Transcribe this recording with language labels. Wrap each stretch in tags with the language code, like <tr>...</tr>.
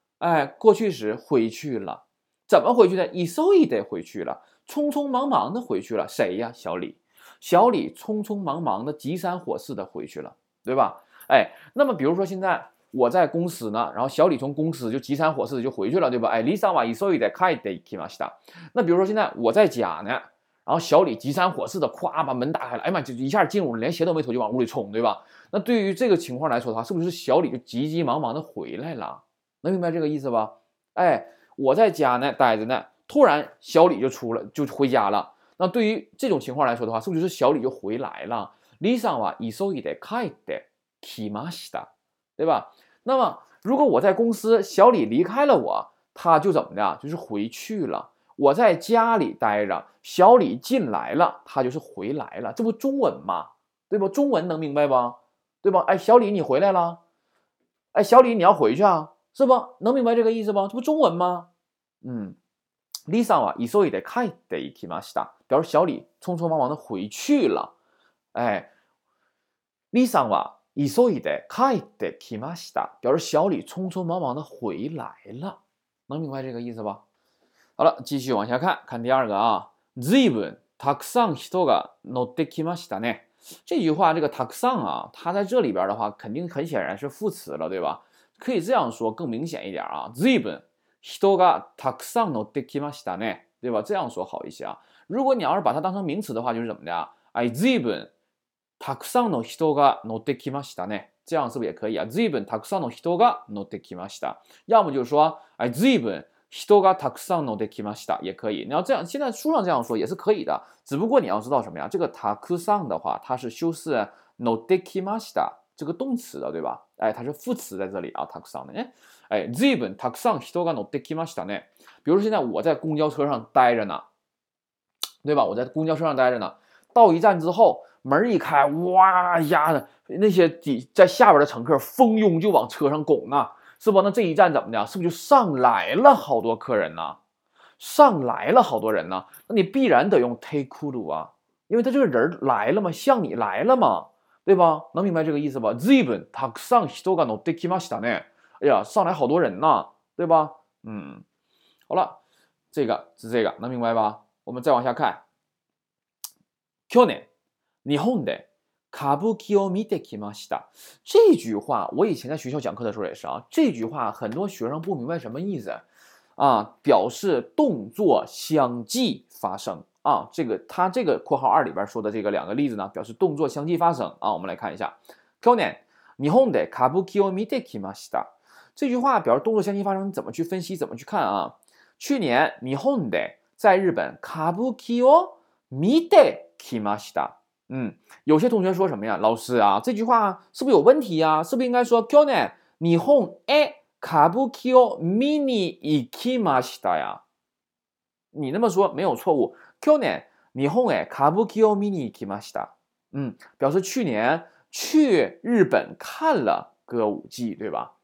<zh>哎，过去时回去了，怎么回去的？</zh> <ja>急いで</ja> <zh>回去了，匆匆忙忙的回去了。谁呀？小李，小李匆匆忙忙的，急三火四的回去了，对吧？哎，那么比如说现在我在公司呢，然后小李从公司就急三火四的就回去了，对吧？</zh> <ja>哎，リサは急いで帰ってきました。</ja> <zh>那比如说现在我在家呢，然后小李急三火四的咵把门打开了，哎妈，就一下进屋了，连鞋都没脱就往屋里冲，对吧？那对于这个情况来说的话，是不是小李就急急忙忙的回来了？能明白这个意思吧？哎，我在家呢待着呢，突然小李就出了，就回家了。那对于这种情况来说的话，是不是小李就回来了？</zh> <ja>リサは急いで帰ってきました。</ja> <zh>对吧？那么如果我在公司，小李离开了我，他就怎么的？就是回去了。我在家里待着，小李进来了，他就是回来了。这不中文吗？对吧？中文能明白吧？对吧？哎，小李你回来了。哎，小李你要回去啊，是吧？能明白这个意思吗？这不中文吗？</zh> <ja>嗯，Lisa 啊，急いで帰ってきました。</ja> <zh>表示小李匆匆忙忙的回去了。哎，Lisa 啊。</zh> <ja>急いで帰ってきました。</ja> <zh>表示小李匆匆忙忙的回来了，能明白这个意思吧？好了，继续往下看，看第二个啊。</zh> <ja>随分たくさん人が乗ってきましたね。</ja> <zh>这句话，这个たくさん啊，它在这里边的话，肯定很显然是副词了，对吧？可以这样说更明显一点啊。</zh> <ja>随分人がたくさん乗ってきましたね，</ja> <zh>对吧？这样说好一些啊。如果你要是把它当成名词的话，就是怎么的啊？</zh> <ja>哎，随分。たくさんの人が乗ってきましたね。这样是不是也可以啊？随分たくさんの人が乗ってきました。</ja> <zh>要么就是说，哎，</zh> <ja>随分人がたくさん乗ってきました。</ja> <zh>也可以。你要这样，现在书上这样说也是可以的。只不过你要知道什么呀？这个たくさん的话，它是修饰</zh> <ja>乗ってきました。</ja> <zh>这个动词的，对吧？哎，它是副词在这里啊。</zh> <ja>たくさんね。哎，随分たくさん人が乗ってきましたね。</ja> <zh>比如说现在我在公交车上待着呢，对吧？我在公交车上待着呢，到一站之后。门一开，哇呀的，那些在下边的乘客蜂拥就往车上拱呢，是吧？那这一站怎么的？是不是就上来了好多客人呢？上来了好多人呢？那你必然得用 take 啊，因为他这个人来了嘛，像你来了嘛，对吧？能明白这个意思吧？</zh> <ja>随分たくさん人が乗ってきましたね。</ja> <zh>哎呀，上来好多人呢，对吧？嗯，好了，这个是这个，能明白吧？我们再往下看，去年。</zh> <ja>日本で歌舞伎を見てきました。</ja> <zh>这句话我以前在学校讲课的时候也是啊，这句话很多学生不明白什么意思啊，表示动作相继发生啊。这个他这个括号二里边说的这个两个例子呢，表示动作相继发生啊。我们来看一下，去年</zh> <ja>日本で歌舞伎を見てきました。</ja> <zh>这句话表示动作相继发生，怎么去分析，怎么去看啊？</zh> <ja>去年日本で</ja> <zh>在日本</zh> <ja>歌舞伎を見てきました。</ja> <zh>嗯，有些同学说什么呀？老师啊，这句话是不是有问题呀？是不是应该说</zh> <ja>"去年日本へ歌舞伎を見に行きました"</ja> <zh>呀？你那么说没有错误，</zh> <ja>"去年日本へ歌舞伎を見に行きました"。</ja> <zh>嗯，表示去年去日本看了歌舞伎，对吧？</zh>